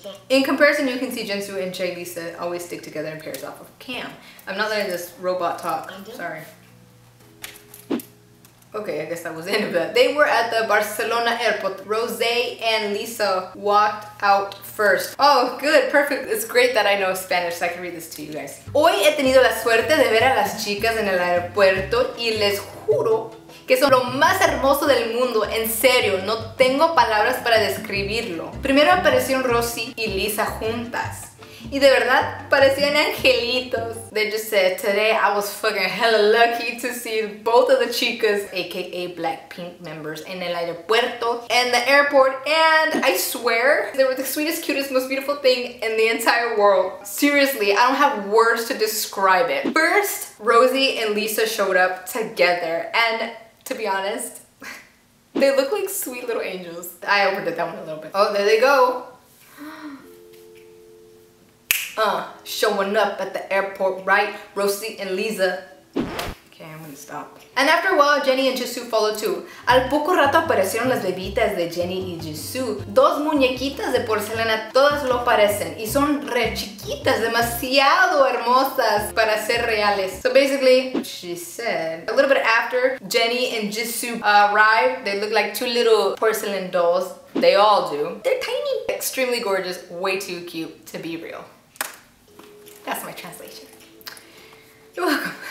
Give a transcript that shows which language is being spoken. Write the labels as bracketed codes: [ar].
[en] In comparison, you can see Jensoo and Chaelisa always stick together in pairs off of cam. I'm not letting this robot talk. Sorry. Okay, I guess that was in a bit. They were at the Barcelona airport. Rosé and Lisa walked out first. Oh, good, perfect. It's great that I know Spanish, so I can read this to you guys. [es] Hoy he tenido la suerte de ver a las chicas en el aeropuerto y les juro que son lo más hermoso del mundo. En serio, no tengo palabras para describirlo. Primero aparecieron Rosy y Lisa juntas. Y de verdad, parecían angelitos. [en] They just said, today I was fucking hella lucky to see both of the chicas, aka Blackpink members, in [es] el aeropuerto, [en] in the airport, and I swear, they were the sweetest, cutest, most beautiful thing in the entire world. Seriously, I don't have words to describe it. First, Rosy and Lisa showed up together, and to be honest, they look like sweet little angels. I opened it that one a little bit. Oh, there they go. Showing up at the airport, right? Rosy and Lisa. Okay, I'm gonna stop. And after a while, Jenny and Jisoo followed too. [es] Al poco rato aparecieron las bebitas de Jenny y Jisoo. Dos muñequitas de porcelana, todas lo parecen. Y son re chiquitas, demasiado hermosas para ser reales. [en] So basically, she said, a little bit after Jenny and Jisoo arrived, they look like two little porcelain dolls. They all do. They're tiny. Extremely gorgeous, way too cute to be real. That's my translation. You're welcome.